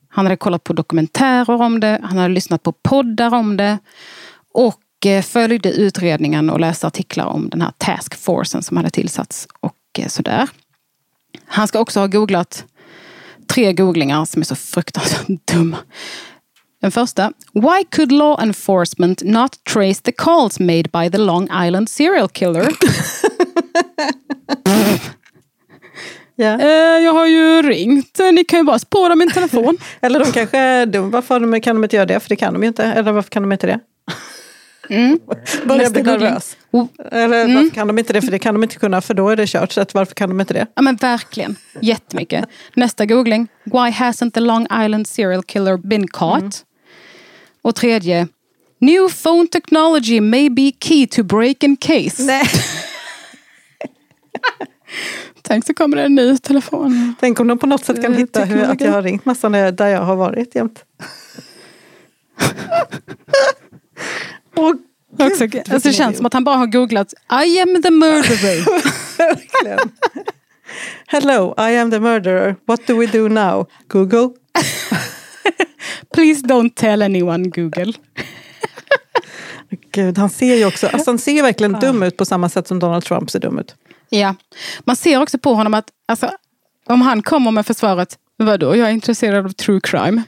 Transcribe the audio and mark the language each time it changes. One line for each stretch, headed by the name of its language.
Swedish: Han hade kollat på dokumentärer om det. Han hade lyssnat på poddar om det. Och följde utredningen och läste artiklar om den här taskforcen som hade tillsatts och sådär. Han ska också ha googlat 3 googlingar som är så fruktansvärt dumma. Den första:
English: why could law enforcement not trace the calls made by the Long Island serial killer? Yeah.
Swedish: Jag har ju ringt. Ni kan ju bara spåra min telefon. Eller de kanske är dumma. Varför kan de inte göra det? För det kan de ju inte. Eller varför kan de inte det? Mm. Börja bli nervös. Eller varför kan de inte det? För det kan de inte kunna. För då är det kört. Så varför kan de inte det? Ja, men verkligen. Jättemycket. Nästa googling:
English: why hasn't the Long Island serial killer been caught? Mm.
Swedish: Och tredje:
English: new phone technology may be key to break in case.
Swedish: Nej. Tänk så kommer det en ny telefon. Tänk om de på något sätt kan hitta hur att jag har ringt massan där jag har varit jämt. Alltså, det känns som att han bara har googlat
English: I am the murderer. Hello, I am the murderer. What do we do now? Google. Please don't tell anyone, Google.
Swedish: Gud, han ser ju också. Alltså, han ser verkligen dum ut på samma sätt som Donald Trump ser dum ut. Ja, man ser också på honom att alltså, om han kommer med försvaret, vadå, jag är intresserad av true crime.